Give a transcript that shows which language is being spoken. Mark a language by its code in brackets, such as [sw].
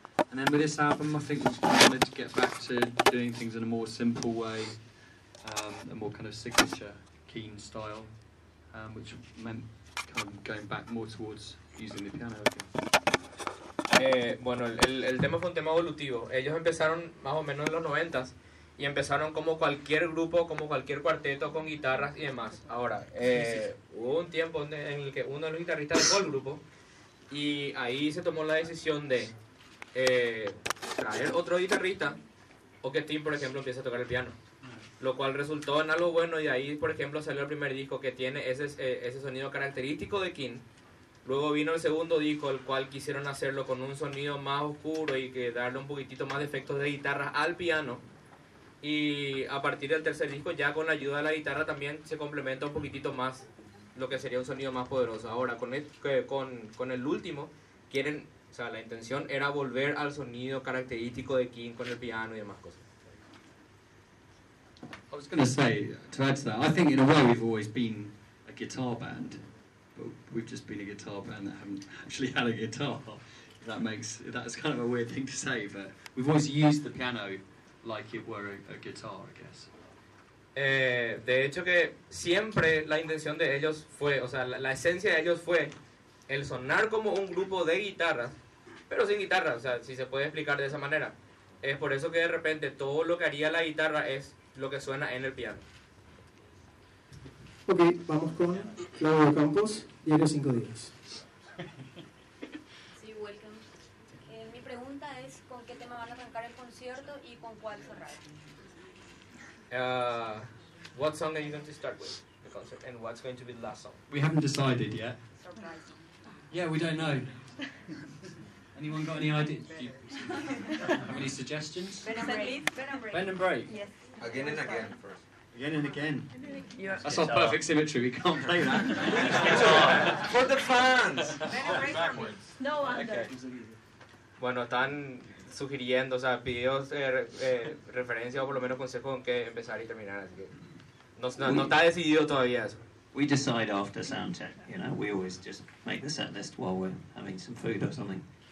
[en] And then with this album, I think we wanted to get back to doing things in a more simple way, a more kind of signature Keane style, which meant kind of going back more towards using the piano again. [es] El tema fue un tema evolutivo. Ellos empezaron más o menos en los 90s y empezaron como cualquier grupo, como cualquier cuarteto con guitarras y demás. Ahora, hubo un tiempo en el que uno de los guitarristas dejó el grupo y ahí se tomó la decisión de traer otro guitarrista o que Tim, por ejemplo, empiece a tocar el piano, lo cual resultó en algo bueno, y ahí, por ejemplo, salió el primer disco que tiene ese sonido característico de Keane. Luego vino el segundo disco, el cual quisieron hacerlo con un sonido más oscuro y que darle un poquitito más de efectos de guitarra al piano, y a partir del tercer disco, ya con la ayuda de la guitarra, también se complementa un poquitito más lo que sería un sonido más poderoso. Ahora con el último quieren, o sea, la intención era volver al sonido característico de Keane con el piano y demás cosas. [en] I was going to say, to add to that, I think in a way we've always been a guitar band, but we've just been a guitar band that haven't actually had a guitar. That's kind of a weird thing to say, but we've always used the piano like it were a guitar, I guess. [es] De hecho que siempre la intención de ellos fue, o sea, la esencia de ellos fue el sonar como un grupo de guitarras, pero sin guitarra, o sea, si se puede explicar de esa manera. Es por eso que de repente todo lo que haría la guitarra es lo que suena en el piano. Ok, vamos con Claudio Campos, Diario 5 Días. Sí, [en] welcome. [es] Mi pregunta es, ¿con qué tema van a arrancar el concierto y con cuál cerrar? [en] What song are you going to start with the concert, and what's going to be the last song? We haven't decided yet. Surprise. Yeah, we don't know. Anyone got any ideas? Have any suggestions? Ben and Break. Yes. Again and again first. Again and again. That's our perfect symmetry. We can't play that. For the fans. Ben and Break. Backwards. No wonder. Okay. [es] Bueno, están sugiriendo, o sea, pidió referencia o por lo menos consejo con qué empezar y terminar. Así que no está decidido todavía eso. [en] We decide after soundcheck, you know. We always just make the set list while we're having some food or something.